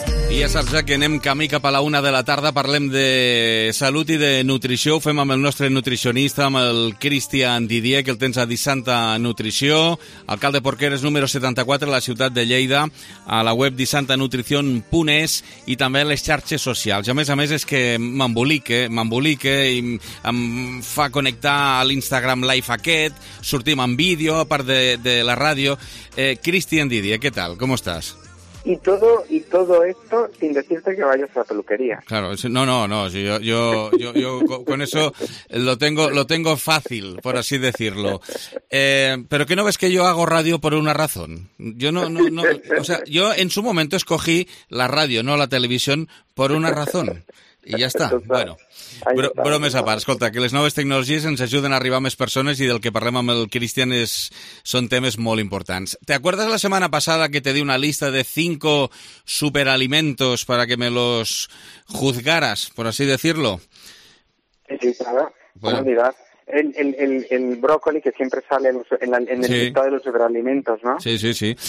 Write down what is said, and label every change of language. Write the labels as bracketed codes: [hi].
[ca] I ja saps ja que anem camí cap a la una de la tarda, parlem de salut i de nutrició, ho fem amb el nostre nutricionista, amb el Cristian Didier, que el tens a Disanta Nutrició, alcalde Porqueres número 74 a la ciutat de Lleida, a la web disantanutricion.es i també a les xarxes socials. A més és que m'embolique i em fa connectar a l'Instagram Live aquest, sortim en vídeo a part de la ràdio. Cristian Didier, què tal? Com estàs? [es] Y todo esto sin decirte que vayas a la peluquería. Claro, no, yo con eso lo tengo fácil, por así decirlo. Pero que no ves que yo hago radio por una razón. Yo en su momento escogí la radio, no la televisión, por una razón. [ca] I ja està. Bueno, bromes a part. Escolta, que les noves tecnologies ens ajuden a arribar a més persones i del que parlem amb el Cristian són temes molt importants. [es] ¿Te acuerdas la semana pasada que te di una lista de 5 superalimentos para que me los juzgaras, por así decirlo? Sí, claro. Bueno. El brócoli que siempre sale en el listado de los superalimentos, ¿no? Sí, sí, sí.